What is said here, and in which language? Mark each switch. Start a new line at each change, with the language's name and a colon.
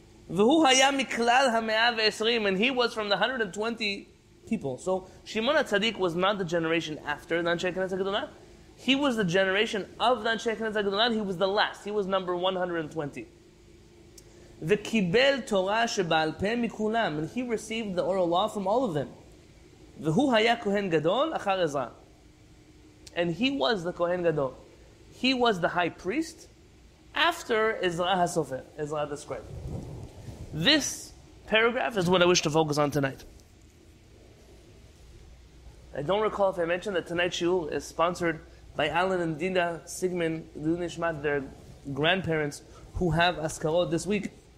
Hebrew: V'hu haya miklal ha-120,
English: and he was from the 120 people. So Shimon HaTzadik was not the generation after the Anshei Knesset HaGedolah. He was the generation of the Anshei Knesset HaGedolah. He was the last. He was number 120.
Hebrew: וקיבל תורה שבעל פה מכולם,
English: and he received the oral law from all of them.
Hebrew: והוא היה כהן גדול אחר עזרא.
English: And he was the Kohen Gadol. He was the high priest after Ezra HaSofer, Ezra the scribe. This paragraph is what I wish to focus on tonight. I don't recall if I mentioned that tonight's shiur is sponsored by Alan and Dina Sigmund Lunishmat, their grandparents, who have askarot this week.